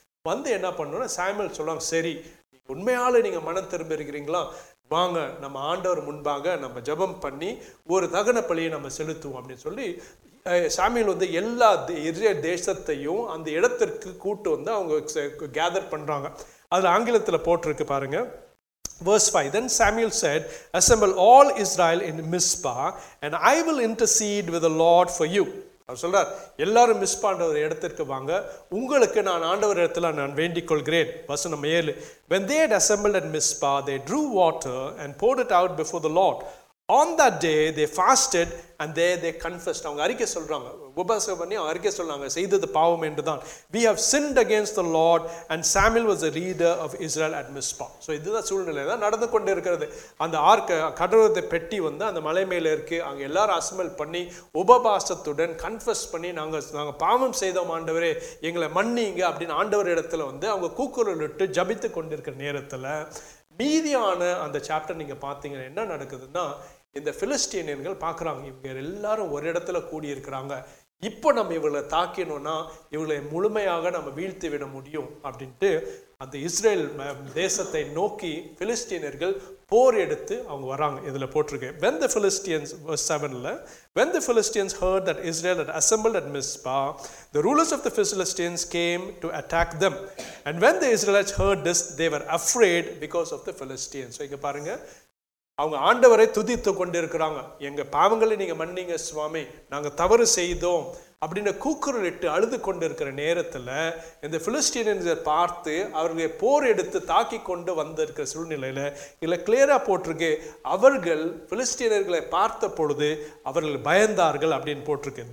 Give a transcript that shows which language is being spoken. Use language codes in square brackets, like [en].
[ta] வந்து என்ன பண்ணணும்னா சாமியல் சொல்லுவாங்க, சரி உண்மையால் நீங்கள் மனம் திரும்ப இருக்கிறீங்களா, வாங்க நம்ம ஆண்டவர் முன்பாக நம்ம ஜபம் பண்ணி ஒரு தகன பலியை நம்ம செலுத்துவோம் அப்படின்னு சொல்லி சாமியல் வந்து எல்லா இஸ்ரேல் தேசத்தையும் அந்த இடத்திற்கு கூட்டு வந்து அவங்க கேதர் பண்ணுறாங்க. அதில் ஆங்கிலத்தில் போட்டிருக்கு பாருங்க, [en] verse 5, then Samuel said, assemble all Israel in Mizpah and I will intercede with the Lord for you. [ta] அவர் சொல்றார், எல்லாரும் மிஸ்பான்ற இடத்துக்கு வாங்க, உங்களுக்கு நான் ஆண்டவர் இடத்துல நான் வேண்டிக் கொள்கிறேன். [en] வசனம் 7, when they had assembled at Mizpah, they drew water and poured it out before the Lord. On that day they fasted and there they confessed. [ta] அவங்க அறிக்கை சொல்றாங்க, உபவாசம் பண்ணி அவங்க அறிக்கை சொல்றாங்க, செய்தது பாவம் என்றுதான். [en] We have sinned against the Lord and Samuel was the leader of Israel at Mizpah. [ta] So இதுதான் சூழ்நிலை தான் நடந்து கொண்டு இருக்கிறது. அந்த ஆர்க்க கடவுளத்தை பெட்டி வந்து அந்த மலை மேல இருக்கு, அவங்க எல்லாரும் அசமல் பண்ணி உபவாசத்துடன் கன்ஃபஸ் பண்ணி நாங்கள் பாவம் செய்தோம் ஆண்டவரே, எங்களை மன்னிங்க அப்படின்னு ஆண்டவர் இடத்துல வந்து அவங்க கூக்குரலிட்டு ஜபித்து கொண்டிருக்கிற நேரத்தில் மீதியான அந்த சாப்டர் நீங்கள் பார்த்தீங்கன்னா என்ன நடக்குதுன்னா, இந்த பிலிஸ்டீனியர்கள் பார்க்குறாங்க, இவங்க எல்லாரும் ஒரு இடத்துல கூடியிருக்கிறாங்க, இப்போ நம்ம இவங்களை தாக்கினோம்னா இவங்களை முழுமையாக நம்ம வீழ்த்தி விட முடியும் அப்படின்ட்டு அந்த இஸ்ரேல் தேசத்தை நோக்கி பிலிஸ்டீனியர்கள் போர் எடுத்து அவங்க வராங்க. இதில் போட்டிருக்கேன், [en] When the Philistines, verse 7, when the Philistines heard that Israel had assembled at Mizpah, the rulers of the Philistines came to attack them. And when the Israelites heard this, they were afraid because of the Philistines. So, [ta] இங்கே பாருங்க, அவங்க ஆண்டவரை துதித்து கொண்டிருக்கிறாங்க. எங்க பாவங்களை நீங்க மன்னிங்க சுவாமி, நாங்கள் தவறு செய்தோம் அப்படின்னு கூக்குரல் இட்டு அழுது கொண்டிருக்கிற நேரத்தில் இந்த பிலிஸ்டீனியர் பார்த்து அவர்களை போர் எடுத்து தாக்கி கொண்டு வந்திருக்கிற சூழ்நிலையில் இல்லை கிளியராக போட்டிருக்கு, அவர்கள் பிலிஸ்டீனியர்களை பார்த்த பொழுது அவர்கள் பயந்தார்கள் அப்படின்னு போட்டிருக்கு.